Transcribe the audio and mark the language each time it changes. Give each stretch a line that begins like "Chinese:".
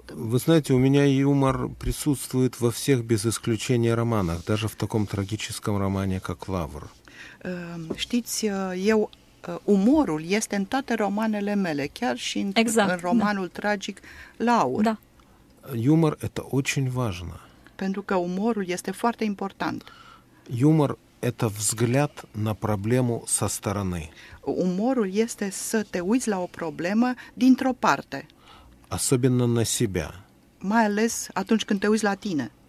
Russian: Вы знаете, у меня юмор присутствует во всех без исключения романах, даже в таком трагическом романе, как «Лавр».
Romanian: Știți, eu umorul este în toate romanele mele, chiar și în romanul tragic «Лавр».
Russian: Да. Юмор — это очень важно.
Romanian: Pentru că umorul este foarte important.
Russian: Юмор — это взгляд на проблему со стороны.
Romanian: Umorul este să te uiți la o problemă dintr-o parte.
Russian: Особенно на себя.
Romanian: Mai ales atunci când te uiți la tine.